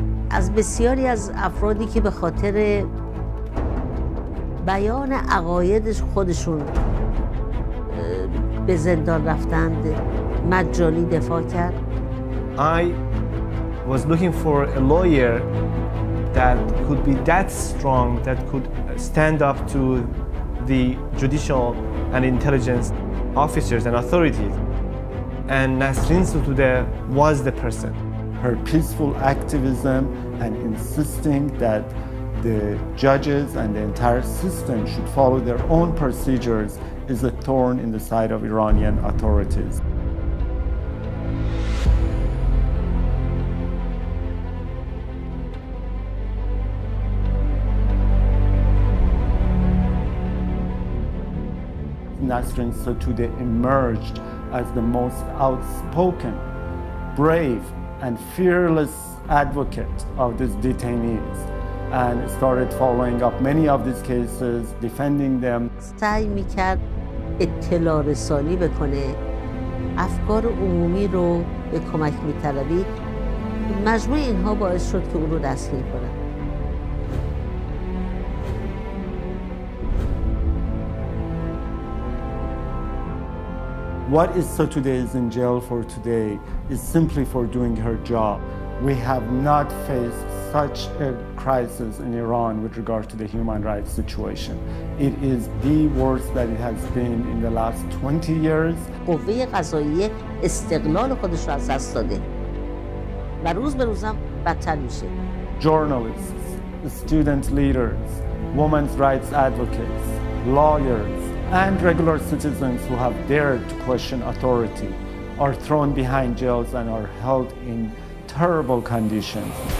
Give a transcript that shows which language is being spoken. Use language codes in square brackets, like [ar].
[fa] از بسیاری از افرادی که به خاطر بیان عقایدش خودشون به زندان رفتند، مجانی دفاع کرد. [en] I was looking for a lawyer that could be that strong, that could stand up to the judicial and intelligence officers and authorities. And Nasrin Sotoudeh was the person. Her peaceful activism and insisting that the judges and the entire system should follow their own procedures is a thorn in the side of Iranian authorities. Nasrin Sotoudeh emerged as the most outspoken, brave, and fearless advocate of these detainees and started following up many of these cases, defending them. [fa] سعی میکرد اطلاع رسانی بکنه، افکار عمومی رو به کمک میطلبید. مجموع اینها باعث شد که او رو دستگیر کنند. [en] What is Sotoudeh is in jail for today is simply for doing her job. We have not faced such a crisis in Iran with regard to the human rights situation. It is the worst that it has been in the last 20 years. [fa] قوه قضاییه استقلال خودش رو از دست داده و روز به روزم بدتر میشه. [en] Journalists, student leaders, women's rights advocates, lawyers, and regular citizens who have dared to question authority are thrown behind jails and are held in terrible conditions.